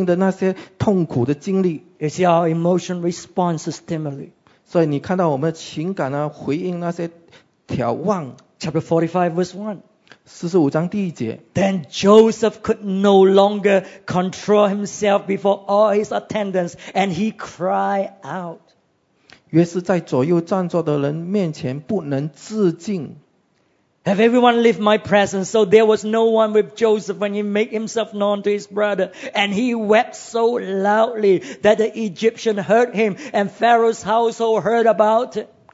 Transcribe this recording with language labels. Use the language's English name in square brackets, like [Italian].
[Chinese] 现在他也可以看到他那个这么宠他的那位父亲，因为他自己的经历，他现在可以也可以感受到他父亲的那些痛苦的经历。 [English] You see our emotion response to stimuli. [Chinese] 所以你看到我们情感啊，回应那些眺望。 [English] Chapter 45, verse 1. [Chinese] 45章第一节. [English] Then Joseph could no longer control himself before all his attendants, and he cried out. [Chinese] 约是在左右站着的人面前不能自禁。 [English] Have everyone left my presence? So there was no one with Joseph when he made himself known to his brother. And he wept so loudly that the Egyptian heard him and Pharaoh's household heard about it.